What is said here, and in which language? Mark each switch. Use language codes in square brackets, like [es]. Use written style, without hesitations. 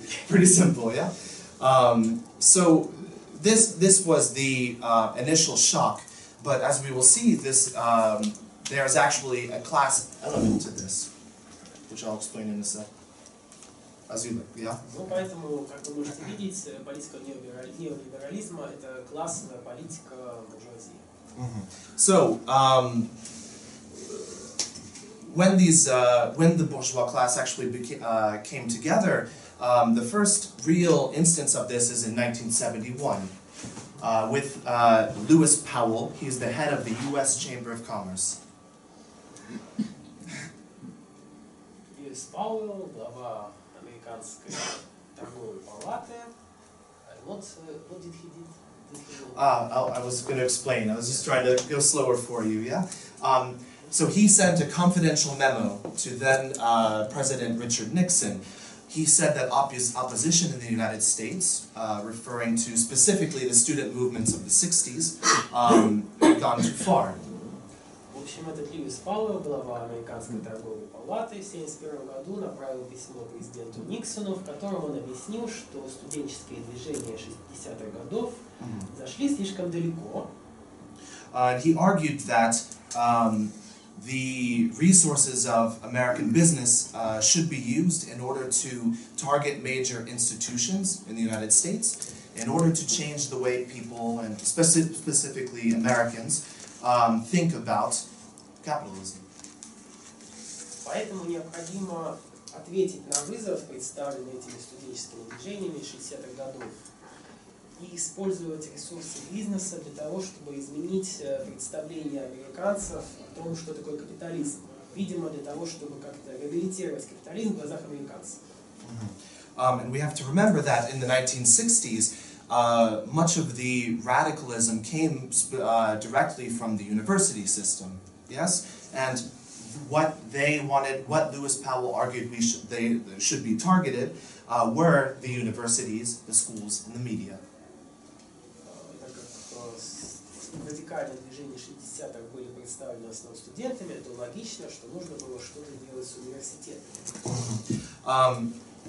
[en] Pretty simple, yeah? So this was the initial shock, but as we will see, this there is actually a class element to this, which I'll explain in a sec. As you look, yeah? [ru] Ну, поэтому, как вы можете видеть, политика неолиберализма – это классовая политика буржуазии. [en] So, when the bourgeois class actually came together, the first real instance of this is in 1971 with Lewis Powell. He is the head of the U.S. Chamber of Commerce. [ru] Lewis Powell, глава американской торговой палаты. [en] What did he do? I was going to explain. I was just trying to go slower for you. Yeah. So he sent a confidential memo to then President Richard Nixon, He said that opposition in the United States, referring to specifically the student movements of the 60s, had gone too far. [ru] В общем, этот Льюис Пауэлл, глава Американской торговой палаты, в 71 году направил письмо президенту Никсону, в котором он объяснил, что студенческие движения 60-х годов зашли слишком далеко. [en] He argued that the resources of American business should be used in order to target major institutions in the United States, in order to change the way people, and specifically Americans, think about capitalism. [ru] Поэтому необходимо ответить на вызов, представленный этими студенческими движениями 60-х годов, и использовать ресурсы бизнеса для того, чтобы изменить представление американцев о том, что такое капитализм. Видимо, для того, чтобы как-то реабилитировать капитализм в глазах американцев. [en] And we have to remember that in the 1960s, much of the radicalism came directly from the university system, yes? And what they wanted, what Lewis Powell argued we should, they should be targeted, were the universities, the schools, and the media. [ru] Так как радикальные движения 60-х были представлены в основном студентами, то логично, что нужно было что-то делать с университетами.